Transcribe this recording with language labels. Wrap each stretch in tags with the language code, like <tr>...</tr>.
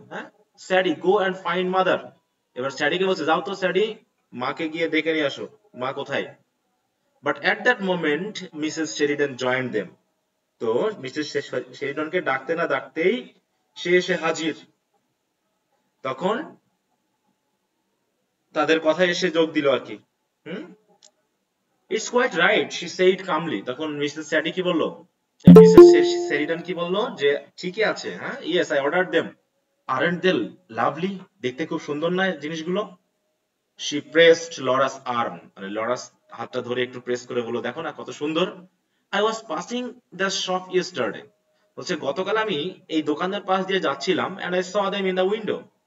<bn>হ্যাঁ</bn> <en>Sadie go and find mother,</en> <bn>এবার স্যাডিকে বলছে যাও তো স্যাডি মাকে গিয়ে দেখে নিয়ে আসো মা কোথায়।</bn> <en>but at that moment Mrs Sheridan joined them,</en> <bn>তো মিসেস শেরিডনকে ডাকতে না ডাকতেই সে এসে হাজির, তখন তাদের কথায় এসে যোগ দিল আর কি।</bn> <en>It's quite right, she said calmly.</en> <bn>তখন মিসেস স্যাডি কি বললো? মিসেস স্যারিডন কি বললো? যে ঠিকই আছে, হ্যাঁ</bn> <en>yes I order them, aren't they lovely,</en> <bn>দেখতে খুব সুন্দর না জিনিসগুলো?</bn> <en>she pressed Laura's arm,</en> <bn>মানে লরাস হাতটা ধরে একটু প্রেস করে বললো দেখো না কত সুন্দর।</bn> <en>I was passing the shop yesterday,</en> <bn>বলছে গতকাল আমি এই দোকানের পাশ দিয়ে যাচ্ছিলাম,</bn> <en>and I saw them in the window,</en>